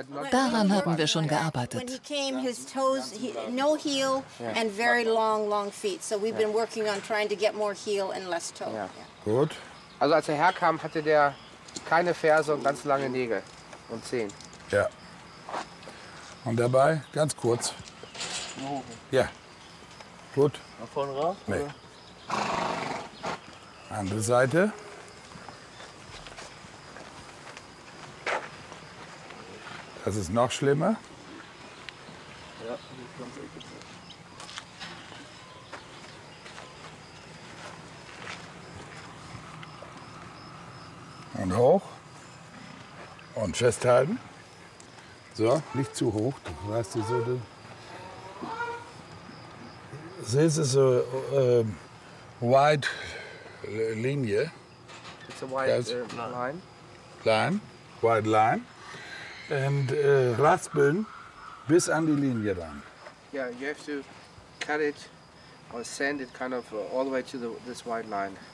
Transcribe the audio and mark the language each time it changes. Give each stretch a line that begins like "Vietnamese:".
German: Daran haben wir schon gearbeitet.
English: When he came, his toes, no heel and very long feet. So we've been working on trying to get more heel and less toe. Yeah.
German: Gut. Also als herkam, hatte der keine Ferse und ganz lange Nägel und Zehen. Ja. Und dabei ganz kurz. Ja. Gut. Nach vorne raus? Nee. Andere Seite. Das ist noch schlimmer. Und hoch. Und festhalten. So, nicht zu hoch. Du weißt, die Sohle.
English: This is a wide Linie. It's a wide line. Line, wide line.
German: Und raspeln bis an die Linie ran.
English: Yeah, you have to cut it or send it kind of all the way to this white line.